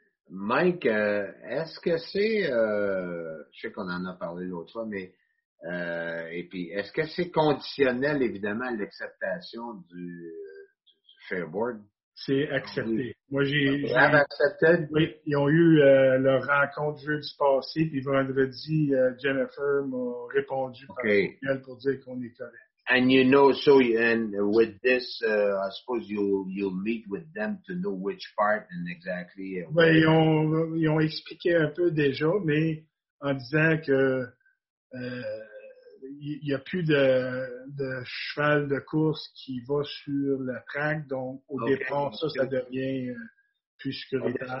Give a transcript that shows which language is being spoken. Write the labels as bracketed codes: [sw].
[fr] Mike, est-ce que c'est, je sais qu'on en a parlé l'autre fois, mais et puis est-ce que c'est conditionnel évidemment à l'acceptation du Fair Board? C'est accepté. Moi j'ai. Ils ont accepté. Oui, ils ont eu leur rencontre jeudi passé, puis vendredi Jennifer m'a répondu par email pour dire qu'on est correct. [en] And you know, so and with this, I suppose you'll meet with them to know which part and exactly. [fr] Ben, ils ont expliqué un peu déjà, mais en disant que il n'y a plus de cheval de course qui va sur la traque, donc au départ, ça devient plus sécuritaire.